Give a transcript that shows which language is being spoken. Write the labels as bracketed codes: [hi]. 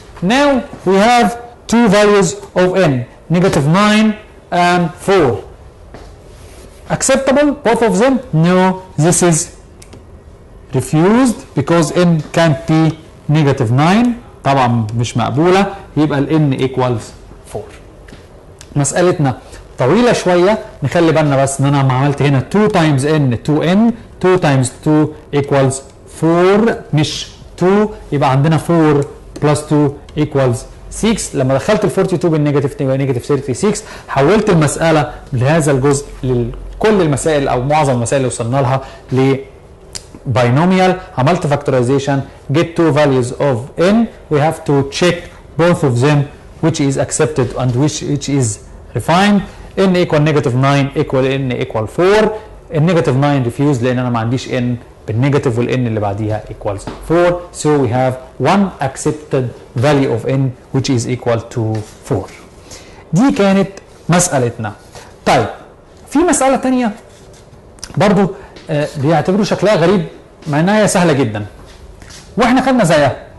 [en] Now we have two values of n, negative 9 and 4. Acceptable, both of them? No, this is refused because n can't be negative 9. [ar] طبعا مش مقبولة, يبقى ال n [en] equals 4. [ar] مسألتنا طويلة شوية, نخلي بالنا بس ان انا ما عملت هنا 2 times n 2n, 2 times 2 equals 4 مش 2, يبقى عندنا 4 plus 2 equals 6. لما دخلت ال 42 بالنيجاتيف يبقى نيجاتيف 36. حولت المسألة لهذا الجزء لكل المسائل او معظم المسائل اللي وصلنا لها [en] ل binomial, عملت factorization, get two values of n, we have to check both of them which is accepted and which is refined. N equal negative 9 equal n equal 4. N negative 9 refused [ar] لان انا ما عنديش n بالنيجاتيف والn اللي بعديها equals 4. [en] So we have one accepted value of n which is equal to 4. [ar] دي كانت مسألتنا. طيب في مسألة تانية برضو بيعتبروا شكلها غريب مع انها هي سهلة جدا واحنا خدنا زيها.